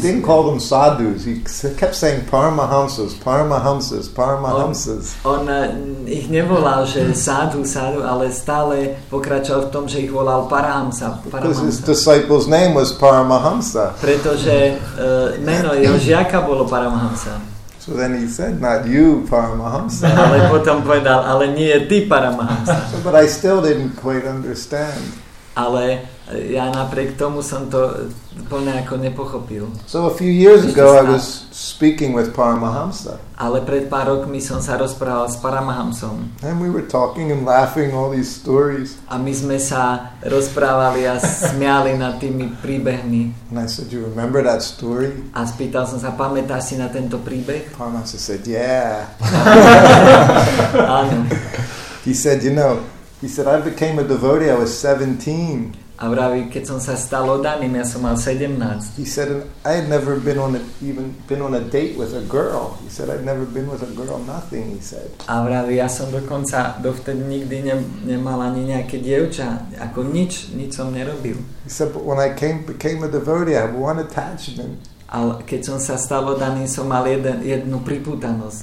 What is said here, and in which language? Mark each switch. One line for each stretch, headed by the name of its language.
English: He didn't call them sadhus. He kept saying Paramahamsas, Paramahamsas, Paramahamsas.
Slovak: On ich nevolal, že sadhu, ale stále pokračoval v tom, že ich volal Paramahamsa.
English: Because his disciple's name was Paramahamsa.
Slovak: Pretože meno jeho žiaka bolo Paramahamsa.
English: So then he said, not you, Paramahamsa.
Slovak: Ale potom povedal, ale nie ty, Paramahamsa.
English: But I still didn't quite understand.
Slovak: Ale ja napriek tomu som to plne ako nepochopil.
English: So a few years ago I was speaking with Paramahamsa.
Slovak: Ale pred pár rokmi som sa rozprával s Paramahamsom.
English: And we were talking and laughing all these stories.
Slovak: A my sme sa rozprávali a smiali nad tými príbehmi.
English: And I said, you remember that story?
Slovak: A spýtal som sa, pamätáš si na tento príbeh?
English: Paramahamsa said, yeah.
Slovak: Áno.
English: He said, you know, he said, I became a devotee, I was 17.
Slovak: A vraví, keď som sa stal odaným, ja som mal 17.
English: He said, I had never been on a date with a girl. He said, I'd never been with a girl, nothing, he said.
Slovak: A vraví, ja som dokonca dovtedy nikdy nemal ani nejaké dievča, ako nič som nerobil.
English: He said, but when I became a devotee, I have one attachment.
Slovak: Ale keď som sa stal odaným, som mal jednu pripútanosť.